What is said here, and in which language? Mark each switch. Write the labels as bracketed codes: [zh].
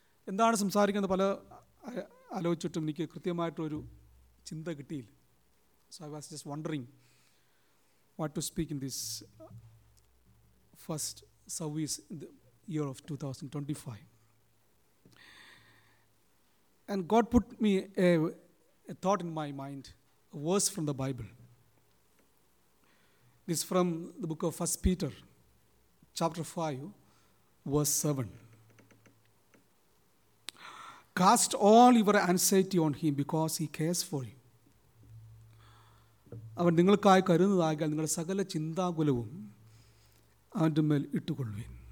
[ml] എന്താണ് സംസാരിക്കുന്നത് പല ആലോചിച്ചിട്ടും എനിക്ക് കൃത്യമായിട്ടൊരു ചിന്ത കിട്ടിയില്ല. [en] So I was just wondering what to speak in this first service in the year of 2025. And God put me a thought in my mind, a verse from the Bible. This is from the book of 1 Peter, chapter 5, verse 7. Cast all your anxiety on him because he cares for you. [ml] അവൻ നിങ്ങൾക്കായി കരുതുന്നതാകിയാൽ നിങ്ങളുടെ സകല ചിന്താകുലവും അവൻ്റെ മേൽ ഇട്ടുകൊള്ളുവിൻ.